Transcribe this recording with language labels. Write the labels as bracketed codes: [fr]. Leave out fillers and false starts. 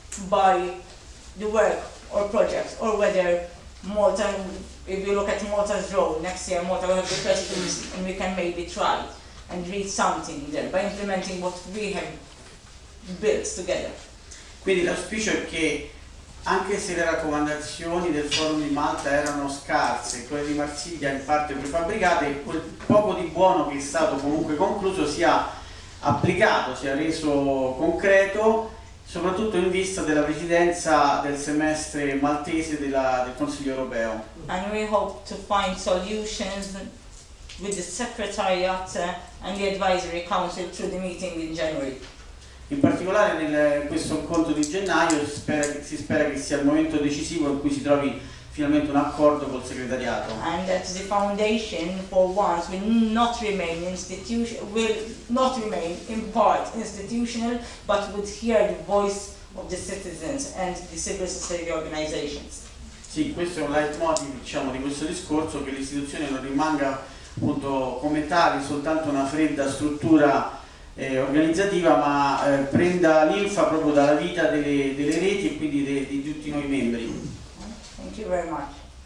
[en] by the work or projects, or whether Malta, if you look at Malta's role next year, Malta will have the presidency, and we can maybe try and read something there by implementing what we have built together. [it] Quindi l'auspicio è che anche se le raccomandazioni del forum di Malta erano scarse, quelle di Marsiglia in parte prefabbricate, quel poco di buono che è stato comunque concluso sia applicato, sia reso concreto, soprattutto in vista della presidenza del semestre maltese del Consiglio europeo. [en] And we hope to find solutions with the Secretariat and the Advisory Council through the meeting in January. [it] In particolare nel questo incontro di gennaio si spera che sia il momento decisivo in cui si trovi finalmente un accordo col segretariato. [en] And that the foundation for once will not remain in part institutional, but would hear the voice of the citizens and the civil society organizations. [it] Sì, questo è un leitmotiv, diciamo, di questo discorso, che l'istituzione non rimanga appunto come tale soltanto una fredda struttura organizzativa, ma prenda l'infa proprio dalla vita delle reti e quindi di tutti noi membri. [en] Thank you very much.